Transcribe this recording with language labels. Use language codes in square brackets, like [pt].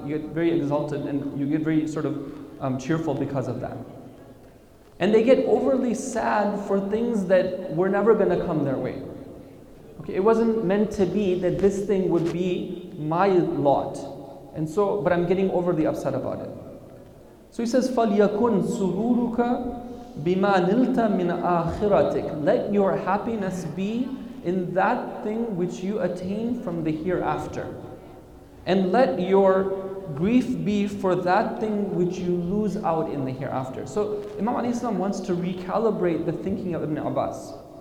[en] You get very exalted and you get very sort of cheerful because of that. And they get overly sad for things that were never going to come their way. Okay, it wasn't meant to be that this thing would be my lot. And so, but I'm getting overly upset about it. So he says, [ar] فَلْيَكُنْ سُرُورُكَ بِمَا نِلْتَ مِنْ آخِرَتِكَ. [en] Let your happiness be in that thing which you attain from the hereafter. And let your grief be for that thing which you lose out in the hereafter. So Imam Ali Islam wants to recalibrate the thinking of Ibn Abbas.